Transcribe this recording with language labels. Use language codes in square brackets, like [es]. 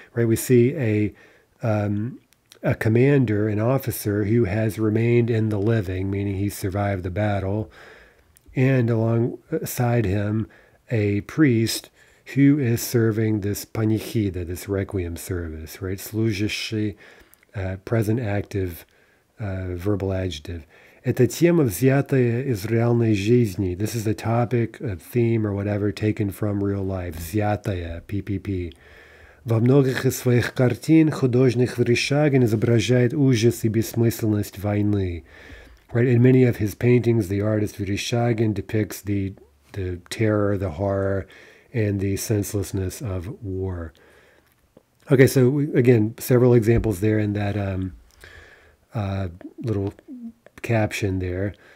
[en] Right, we see a commander, an officer, who has remained in the living, meaning he survived the battle, and alongside him, a priest who is serving this панихида, this requiem service, right? Служащий, present active, verbal adjective. [ru] Эта тема взятая из реальной жизни. [en] This is a topic, a theme, or whatever, taken from real life. [ru] Взятая, PPP. Во многих из своих картин художник Верещагин изображает ужас и бессмысленность войны. [en] Right, in many of his paintings, the artist Verishagin depicts the terror, the horror, and the senselessness of war. Okay, so again, several examples there in that little caption there.